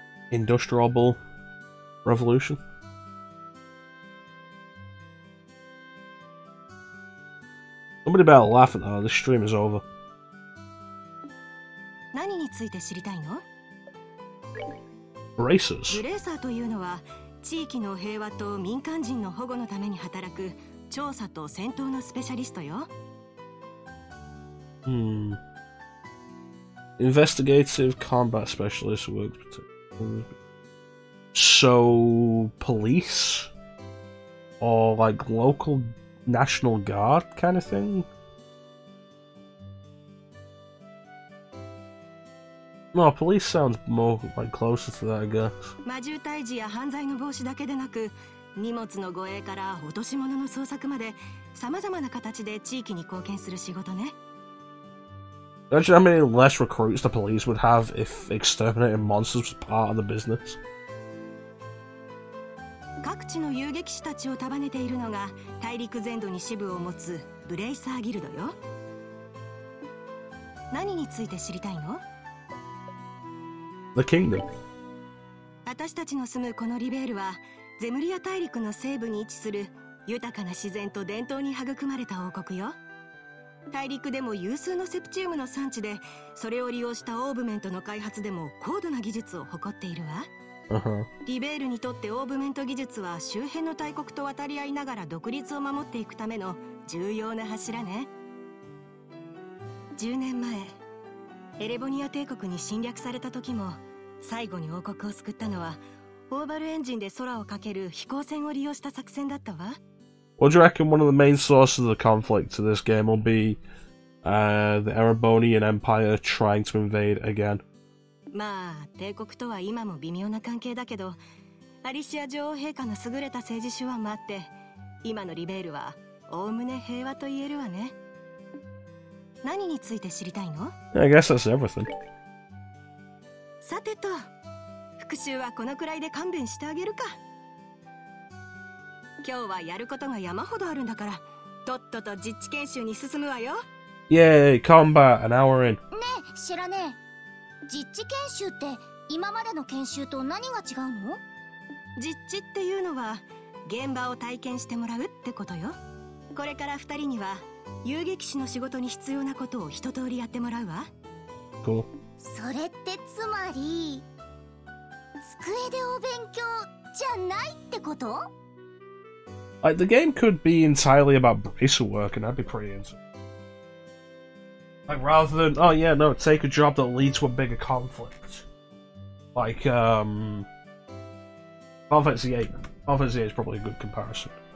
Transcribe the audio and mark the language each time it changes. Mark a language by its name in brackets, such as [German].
[English] Industrial revolution? Somebody better laugh at that. This stream is over. [Japanese] 何について知りたいの? [English] Braces. [Japanese] ブレーサーというのは地域の平和と民間人の保護のために働く調査と戦闘のスペシャリストよ。 [English] Investigative combat specialist works with... So, police? Or like local... National Guard kind of thing? No, police sounds more like closer to that, I guess. [Japanese] 魔獣退治や犯罪の防止だけでなく、荷物の護衛から落とし物の捜索まで、様々な形で地域に貢献する仕事ね。 [English] Imagine how many less recruits the police would have if exterminating monsters was part of the business. [Japanese] 各地の遊撃士たちを束ねているのが大陸全土に支部を持つブレイサーギルドよ。何について知りたいの [English] ?The Kingdom。 [Japanese] 私たちの住むこのリベールはゼムリア大陸の西部に位置する豊かな自然と伝統に育まれた王国よ。大陸でも有数のセプチウムの産地で、それを利用したオーブメントの開発でも高度な技術を誇っているわ。リベールにとってオーブメント技術は周辺の大国と渡り合いながら独立を守っていくための重要な柱ね。 10年前エレボニア帝国に侵略された時も、最後に王国を救ったのはオーバルエンジンで空を駆ける飛行船を利用した作戦だったわ。 [English] What do you reckon one of the main sources of the conflict to this game will be、the Erebonian Empire trying to invade again? [Japanese] まあ帝国とは今も微妙な関係だけど、アリシア女王陛下の優れた政治手腕もあって今のリベールは概ね平和と言えるわね。何について知りたいの？ [English] I guess that's everything. [Japanese] さてと、復讐はこのくらいで勘弁してあげるか。今日はやることが山ほどあるんだから、とっとと実地研修に進むわよ。 [English] Yay, combat, an hour in. [Japanese] ねえ、知らねえ。実地研修って今までの研修と何が違うの？実地っていうのは現場を体験してもらうってことよ。これから二人には遊撃士の仕事に必要なことを一通りやってもらうわ。 [English] Cool. [Japanese] それってつまり机でお勉強じゃないってこと？ [English] Like, the game could be entirely about bracer work and I'd be pretty into it. Like, rather than, oh yeah, no, take a job that leads to a bigger conflict. Like, Final Fantasy VIII is probably a good comparison.